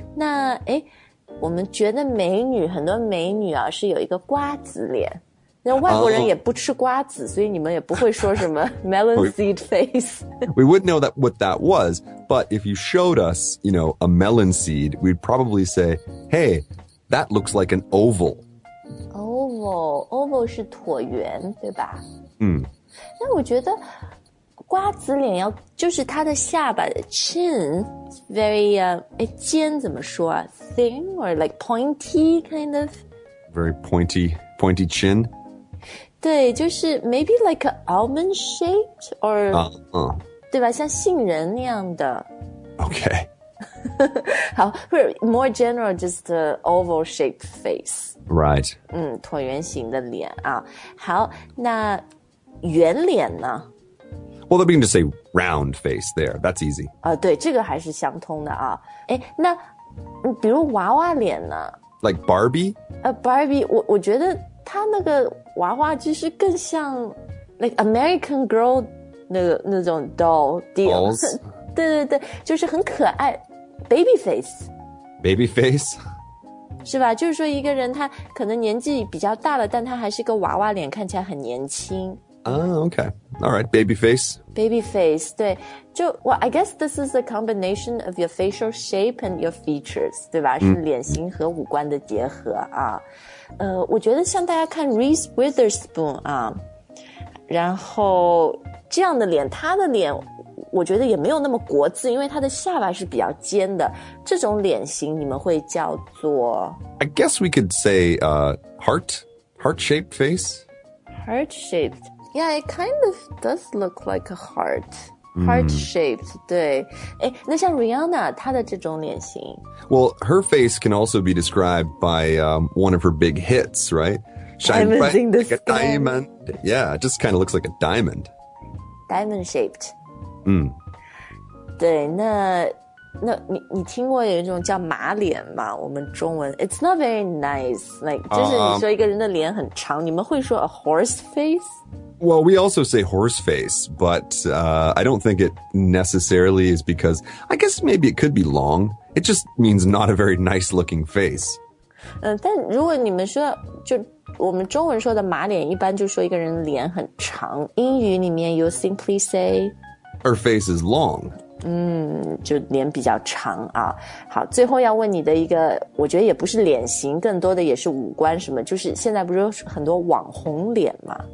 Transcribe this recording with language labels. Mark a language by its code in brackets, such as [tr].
[zh] 那，诶，我们觉得美女，很多美女啊，是有一个瓜子脸。那外国人也不吃瓜子，所以你们也不会说什么 [en] melon seed face. We wouldn't know that what that was, but if you showed us, you know, a melon seed, we'd probably say, hey, that looks like an oval. [zh] Oval 是椭圆，对吧？嗯。那我觉得瓜子脸要，就是它的下巴 [en] chin, very, [zh] 尖怎么说啊 ? [en] thin or like pointy kind of? Very pointy chin. [zh] 对，就是 [en] maybe like an almond shaped or [zh] 对吧，像杏仁那样的。 [en] Okay. [zh] 好，或者 [en] more general, just an oval shaped face. Right. [zh] 椭圆形的脸啊。好，那圆脸呢？ [en] Well, they're going to say round face there. That's easy. [zh] 对，这个还是相通的啊。诶，那比如娃娃脸呢？ [en] Like Barbie? [zh] Barbie, 我觉得他那个娃娃其实更像 [en] like American Girl [zh] 那种 [en] doll deal. [zh] 对对对，就是很可爱 Babyface 是吧，就是说一个人他可能年纪比较大了，但他还是个娃娃脸，看起来很年轻。 [en] Okay, alright, Babyface [zh] 对，就 [en] well, I guess this is a combination of your facial shape and your features, [zh] 对吧，是脸型和五官的结合啊。我觉得像大家看 Reese Witherspoon 啊，然后这样的脸，她的脸我觉得也没有那么国字，因为她的下巴是比较尖的，这种脸型你们会叫做 [en] I guess we could say heart-shaped face. Heart-shaped. Yeah, it kind of does look like a heart. Heart-shaped, [zh] 对。那像 Rihanna, 她的这种脸型。 [en] Well, her face can also be described by one of her big hits, right? Shine bright like a diamond. Yeah, it just kind of looks like a diamond. Diamond-shaped. [zh] 对，那你听过有一种叫马脸吗？我们中文 [en] It's not very nice. [zh] Like, 就是你说一个人的脸很长，你们会说 [en] a horse face? Well, we also say horse face, but I don't think it necessarily is because, I guess maybe it could be long. It just means not a very nice looking face. [zh] 但如果你们说，就我们中文说的马脸，一般就说一个人脸很长。英语里面 [en] you simply say... Her face is long. [zh] 就脸比较长啊。好，最后要问你的一个，我觉得也不是脸型，更多的也是五官什么，就是现在不是很多网红脸吗？